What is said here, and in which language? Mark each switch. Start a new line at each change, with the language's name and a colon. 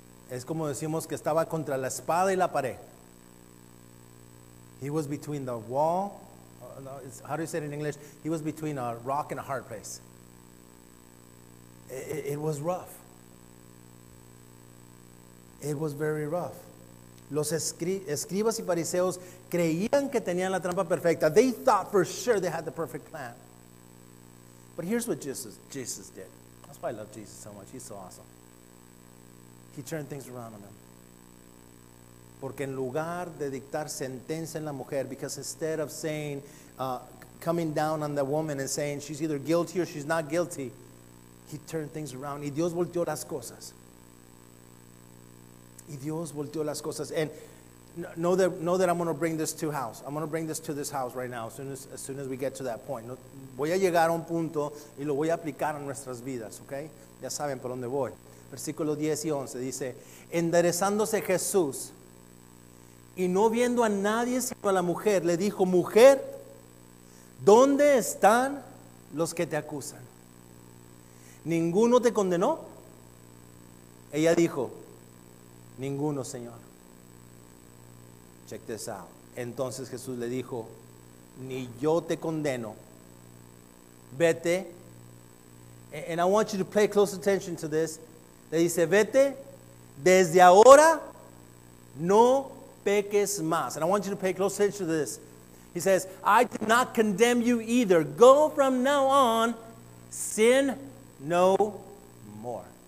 Spanish: Es como decimos que estaba contra la espada y la pared.
English: He was between the wall. No, it's, how do you say it in English? He was between a rock and a hard place. It was rough. It was very rough.
Spanish: Los escribas y fariseos creían que tenían la trampa perfecta.
English: They thought for sure they had the perfect plan. But here's what Jesus did. That's why I love Jesus so much. He's so awesome. He turned things around on them.
Spanish: Porque en lugar de dictar sentencia en la mujer,
English: because instead of saying, coming down on the woman and saying she's either guilty or she's not guilty, he turned things around.
Spanish: Y Dios volteó las cosas. Y Dios volteó las cosas.
English: And know that I'm going to bring this to house. I'm going to bring this to this house right now as soon as we get to that point.
Spanish: No, voy a llegar a un punto y lo voy a aplicar en nuestras vidas, okay? Ya saben por dónde voy. Versículo 10 y 11 dice, enderezándose Jesús y no viendo a nadie sino a la mujer, le dijo, mujer, ¿dónde están los que te acusan? ¿Ninguno te condenó? Ella dijo, ninguno, Señor.
English: Check this out.
Spanish: Entonces Jesús le dijo, ni yo te condeno. Vete.
English: And I want you to pay close attention to this.
Spanish: Le dice, vete, desde ahora no peques más.
English: And I want you to pay close attention to this. He says, I do not condemn you either. Go from now on, sin no more.